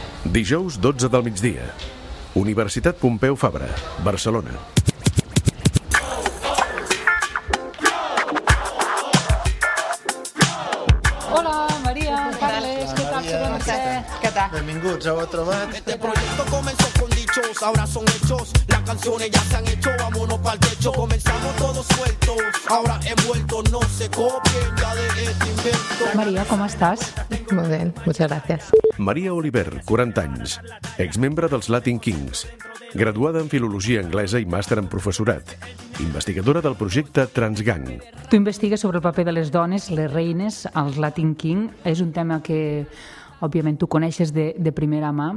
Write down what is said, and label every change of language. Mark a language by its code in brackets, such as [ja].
[ca] Dijous 12 del migdia. Universitat Pompeu Fabra, Barcelona. Hola, Maria, Carles, què tal? Què tal? Benvinguts, heu trobat. [es] Este proyecto comenzó con dichos, ahora son hechos. Las canciones ya se han hecho, vámonos pa'l techo. Comenzamos todos sueltos, ahora envueltos, no se copien ya de este invento. [ca] Maria, com estàs? Molt bé, [es] muchas gracias. [ca] Maria Oliver, 40 anys, exmembre dels Latin Kings, graduada en filologia anglesa i màster en professorat, investigadora del projecte Transgang. Tu investigues sobre el paper de les dones, les reines, als Latin King. És un tema que, òbviament, tu coneixes de primera mà.